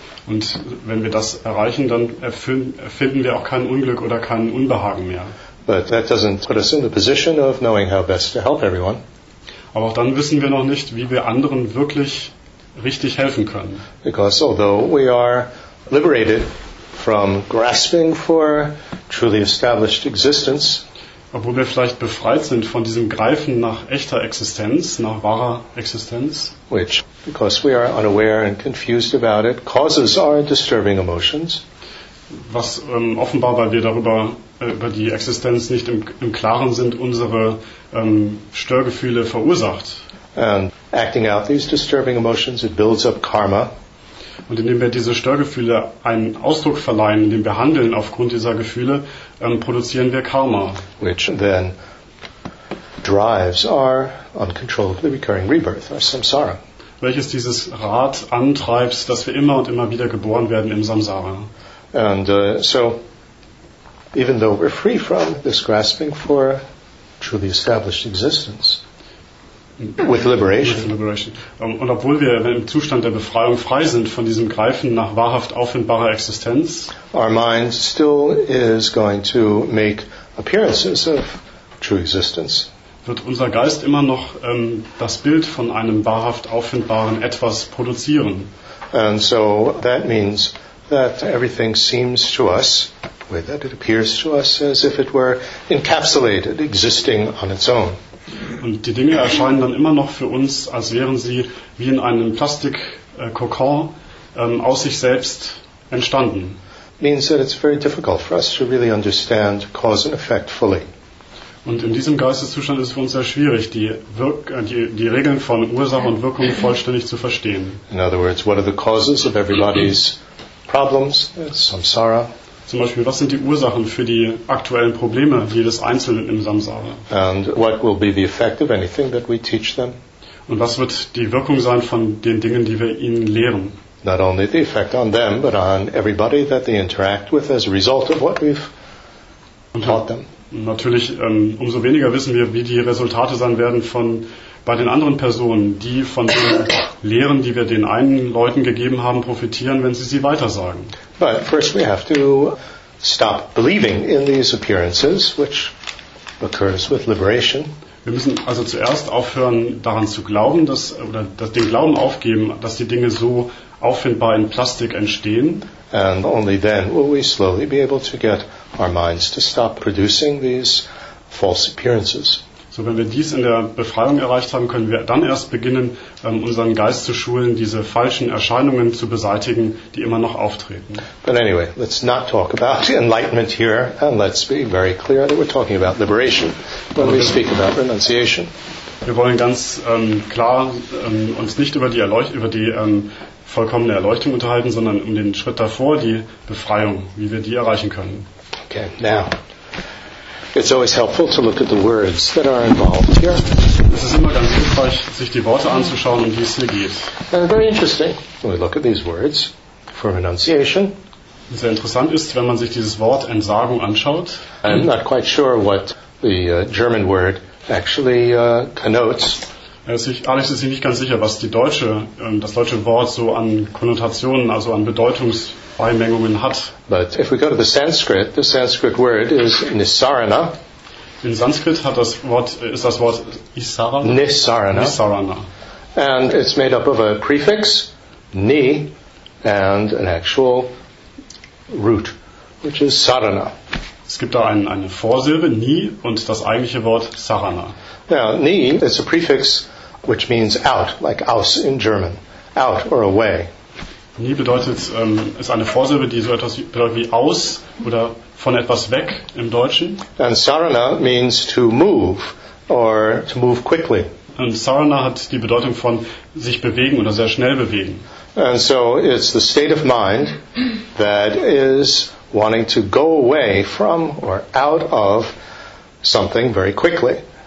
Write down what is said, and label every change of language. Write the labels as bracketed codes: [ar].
[de] Und wenn wir das erreichen, dann finden wir auch kein Unglück oder kein Unbehagen mehr. [en] But that doesn't put us in the position of knowing how best to help everyone. [de] Aber auch dann wissen wir noch nicht, wie wir anderen wirklich richtig helfen können. [en] Because although we are liberated from grasping for truly established existence. [de] Obwohl wir vielleicht befreit sind von diesem Greifen nach echter Existenz, nach wahrer Existenz. [en] Which, because we are unaware and confused about it, causes our disturbing emotions. [de] Was offenbar, weil wir darüber, über die Existenz nicht im Klaren sind, unsere Störgefühle verursacht. [en] And acting out these disturbing emotions, it builds up karma. [de] Und indem wir diese Störgefühle einen Ausdruck verleihen, indem wir handeln aufgrund dieser Gefühle, produzieren wir Karma. [en] Which then drives our uncontrollably recurring rebirth, our samsara. [de] Welches dieses Rad antreibt, dass wir immer und immer wieder geboren werden im Samsara. [en] And so, even though we're free from this grasping for truly established existence, with liberation. With liberation. [de] Und obwohl wir im Zustand der Befreiung frei sind von diesem Greifen nach wahrhaft auffindbarer Existenz, [en] our mind still is going to make appearances of true existence. [de] Wird unser Geist immer noch das Bild von einem wahrhaft auffindbaren Etwas produzieren. [en] And so that means that everything seems to us, the way that it appears to us, as if it were encapsulated, existing on its own. [de] Und die Dinge erscheinen dann immer noch für uns, als wären sie wie in einem Plastik-Kokon aus sich selbst entstanden. [en] Means that it's very difficult for us to really understand cause and effect fully. [de] Und in diesem Geisteszustand ist es für uns sehr schwierig, die Regeln von Ursache und Wirkung vollständig zu verstehen. [en] In other words, what are the causes of everybody's problems, samsara? [de] Zum Beispiel, was sind die Ursachen für die aktuellen Probleme jedes Einzelnen im Samsara? [en] And what will be the effect of anything that we teach them? [de] Und was wird die Wirkung sein von den Dingen, die wir ihnen lehren? [en] Not only the effect on them, but on everybody that they interact with as a result of what we've taught them. [de] Natürlich, umso weniger wissen wir, wie die Resultate sein werden von bei den anderen Personen, die von den Lehren, die wir den einen Leuten gegeben haben, profitieren, wenn sie weitersagen. [en] But first we have to stop believing in these appearances, which occurs with liberation. [de] Wir müssen also zuerst aufhören, daran zu glauben, dass, oder dass den Glauben aufgeben, dass die Dinge so auffindbar in Plastik entstehen. [en] And only then will we slowly be able to get our minds to stop producing these false appearances. [de] So, wenn wir dies in der Befreiung erreicht haben, können wir dann erst beginnen, unseren Geist zu schulen, diese falschen Erscheinungen zu beseitigen, die immer noch auftreten. [en] But anyway, let's not talk about enlightenment here, and let's be very clear that we're talking about liberation when we speak about renunciation. [de] Wir wollen ganz klar uns nicht über die vollkommene Erleuchtung unterhalten, sondern um den Schritt davor, die Befreiung, wie wir die erreichen können. [en] Okay, now, it's always helpful to look at the words that are involved here. [de] Es ist immer ganz hilfreich, sich die Worte anzuschauen, um die es hier geht. [en] And very interesting, when we look at these words for renunciation. [de] Sehr interessant ist, wenn man sich dieses Wort Entsagung anschaut. [en] I'm not quite sure what the German word actually connotes. [de] Alex ist sich nicht ganz sicher, was das deutsche Wort so an Konnotationen, also an Bedeutungsbeimengungen hat. [en] But if we go to the Sanskrit word is nisarana. [de] In Sanskrit ist das Wort isarana. Nisarana. Nisarana. [en] And it's made up of a prefix, ni, and an actual root, which is sarana. [de] Es gibt da eine Vorsilbe, ni, und das eigentliche Wort sarana. [en] Now, ni is a prefix which means out, like aus in German, out or away. [de] Ni bedeutet, ist eine Vorsilbe, die so etwas bedeutet wie aus oder von etwas weg im Deutschen. [en] And sarana means to move or to move quickly. [de] Und sarana hat die Bedeutung von sich bewegen oder sehr schnell bewegen. [en] And so it's the state of mind that is wanting to go away from or out of something very quickly.